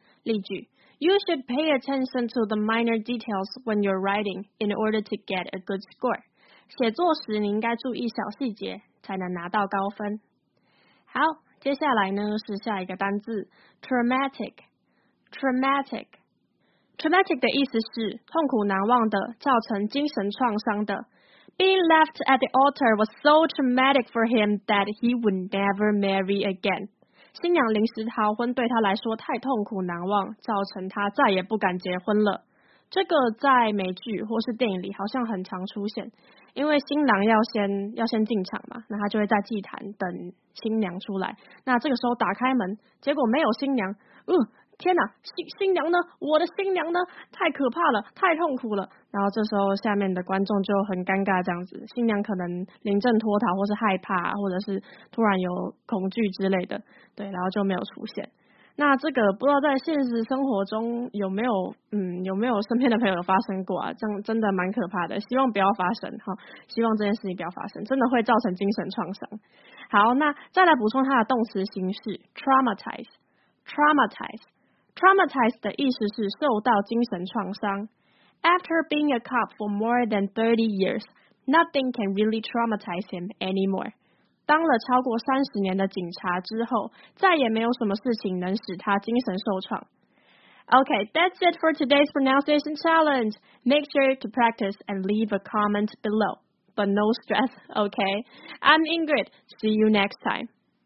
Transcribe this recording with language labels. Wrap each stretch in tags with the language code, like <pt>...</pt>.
<zh>例句</zh> <en>：You should pay attention to the minor details when you're writing in order to get a good score。</en> <zh>写作时你应该注意小细节，才能拿到高分。好，接下来呢是下一个单字 ：traumatic。 traumatic 的意思是痛苦难忘的，造成精神创伤的。</zh> <en>Being left at the altar was so traumatic for him that he would never marry again.</en> <zh>新娘临时逃婚对他来说太痛苦难忘，造成他再也不敢结婚了。这个在美剧或是电影里好像很常出现，因为新郎要先进场嘛，那他就会在祭坛等新娘出来。那这个时候打开门，结果没有新娘，天哪，新娘呢？我的新娘呢？太可怕了，太痛苦了。然后这时候下面的观众就很尴尬，这样子，新娘可能临阵脱逃，或是害怕，或者是突然有恐惧之类的，对，然后就没有出现。那这个不知道在现实生活中有没有，有没有身边的朋友有发生过啊？这样真的蛮可怕的，希望不要发生哈，希望这件事情不要发生，真的会造成精神创伤。好，那再来补充它的动词形式 ，traumatize。 Traumatized 的意思是受到精神创伤。</zh> <en>After being a cop for more than 30 years, nothing can really traumatize him anymore.</en> <zh>当了超过30年的警察之后，再也没有什么事情能使他精神受创。</zh> <en>Okay, that's it for today's pronunciation challenge. Make sure to practice and leave a comment below. But no stress, okay? I'm Ingrid. See you next time.</en>